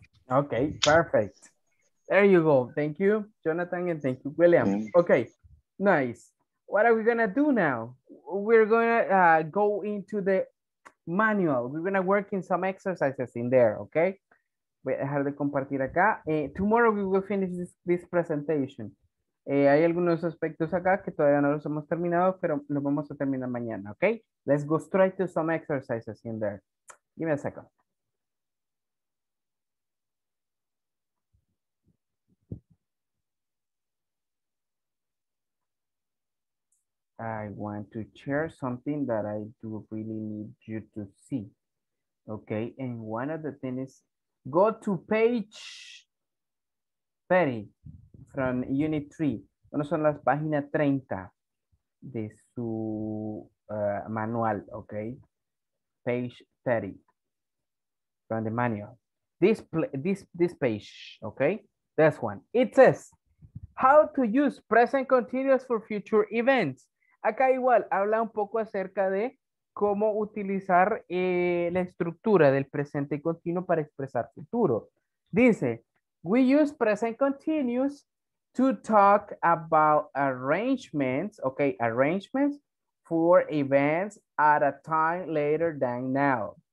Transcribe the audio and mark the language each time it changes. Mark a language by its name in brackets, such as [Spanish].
[English] Okay, perfect. There you go. Thank you, Jonathan, and thank you, William. Okay, nice. What are we gonna do now? We're gonna go into the manual. We're gonna work in some exercises in there, okay? [Spanish] Voy a dejar de compartir acá. [English] Tomorrow we will finish this presentation. [Spanish] Hay algunos aspectos acá que todavía no los hemos terminado, pero los vamos a terminar mañana, okay? [English] Let's go straight to some exercises in there. Give me a second. I want to share something that I do really need you to see. Okay, and one of the things, go to page 30 from unit 3. [Spanish] Bueno, son las páginas 30 de su manual, okay? [English] Page 30 from the manual. This page, okay? this one. It says, how to use present continuous for future events. [Spanish] Acá igual habla un poco acerca de cómo utilizar la estructura del presente continuo para expresar futuro. [English] Dice, we use present continuous to talk about arrangements, okay, arrangements for events at a time later than now.